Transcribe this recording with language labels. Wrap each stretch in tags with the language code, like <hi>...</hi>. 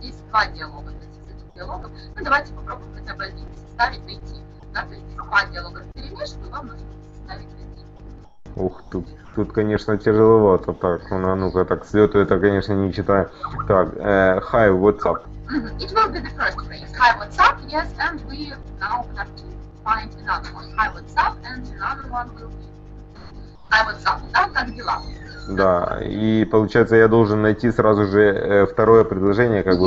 <ru>Здесь два диалога, то есть из этих диалогов. Ну, давайте попробуем хотя бы один составить, найти. Да, то есть два диалога перемешку, вам нужно составить один. Ух, тут, конечно, тяжеловато. Так, ну-ка, так, слету это, конечно, не читаю. Так,</ru> <en>hi, what's up? It will be the first phrase. Hi, what's up? Yes, and we now have to find another one. Hi, what's up? And another one will be... Hi, what's up?</en> <ru>Да, как дела? Да, и получается, я должен найти сразу же второе предложение, как бы,</ru>